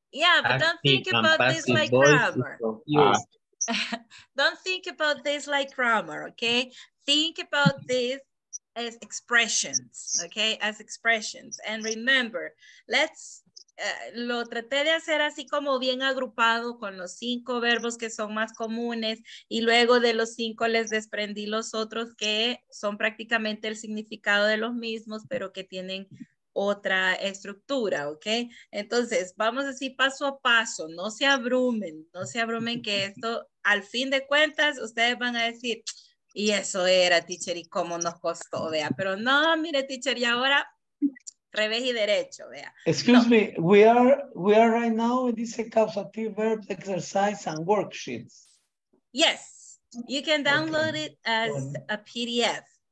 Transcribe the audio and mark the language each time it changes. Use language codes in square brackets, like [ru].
[en] Yeah, but don't think about this like grammar. Don't think about this like grammar, okay? Think about this as expressions, okay? As expressions. And remember, let's [es] lo traté de hacer así como bien agrupado con los cinco verbos que son más comunes y luego de los cinco les desprendí los otros que son prácticamente el significado de los mismos, pero que tienen otra estructura, ¿ok? Entonces, vamos así paso a paso, no se abrumen, no se abrumen que esto, al fin de cuentas, ustedes van a decir, y eso era, teacher, y cómo nos costó, vea, pero no, mire, teacher, y ahora, revés y derecho, vea. [en] Excuse me, we are right now in this causative verb exercise and worksheets. Yes, you can download it as a PDF.